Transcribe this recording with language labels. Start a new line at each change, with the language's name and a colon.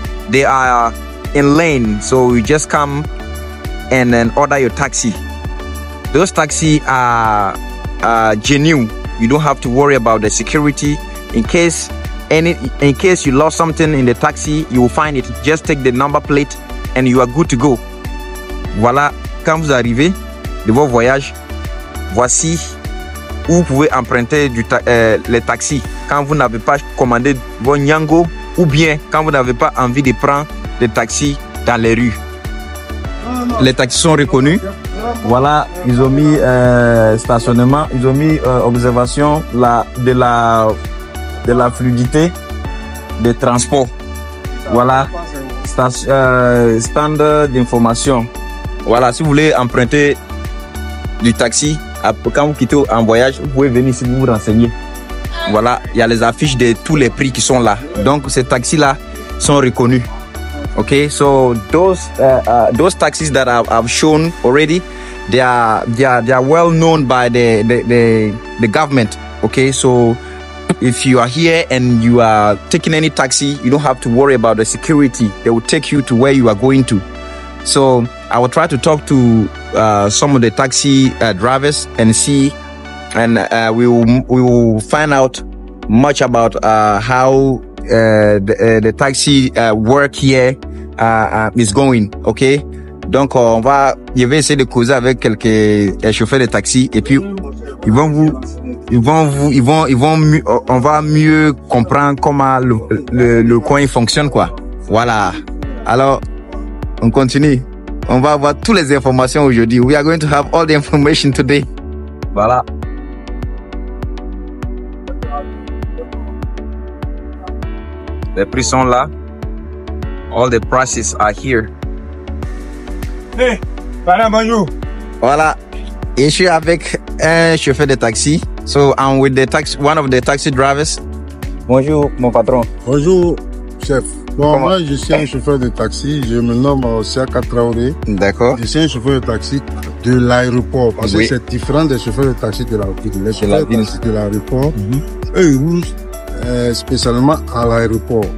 English: They are in lane, so you just come and then order your taxi. Those taxi are genuine. You don't have to worry about the security. In case you lost something in the taxi, you will find it. Just take the number plate and you are good to go.
French: Voilà, quand vous arrivez de votre voyage, voici où vous pouvez emprunter le taxi. Quand vous n'avez pas commandé vos Nyango ou bien quand vous n'avez pas envie de prendre le taxi dans les rues. Les taxis sont reconnus. Voilà, ils ont mis stationnement, ils ont mis observation de la fluidité des transports. Voilà, stand d'information. Voilà, si vous voulez emprunter du taxi, quand vous quittez en voyage, vous pouvez venir ici vous renseigner. Voilà, il y a les affiches de tous les prix qui sont là. Donc, ces taxis-là sont reconnus.
English: Okay, so those taxis that I've shown already, they are well known by the government. Okay, so if you are here and you are taking any taxi, you don't have to worry about the security. They will take you to where you are going to. So I will try to talk to some of the taxi drivers and see, and we will find out much about how the taxi work here. Is going, okay?
French: Donc je vais essayer de causer avec quelques chauffeurs de taxi et puis on va mieux comprendre comment le coin fonctionne, quoi. Voilà. Alors on continue. On va avoir toutes les informations aujourd'hui.
English: We are going to have all the information today.
French: Voilà. Les prix sont là.
English: All the prices are here.
French: Hey, voilà, bonjour. Voilà, je suis avec un chauffeur de taxi.
English: So I'm with one of the taxi drivers.
French: Bonjour, mon patron. Bonjour, chef. Bon, moi, je suis un chauffeur de taxi. Je me nomme Osiaka Traoré. D'accord. Je suis un chauffeur de taxi de l'aéroport. Parce que c'est différent des chauffeurs de taxi de la ville. Les chauffeurs de taxi de l'aéroport, eux, vous. Spécialement à l'aéroport.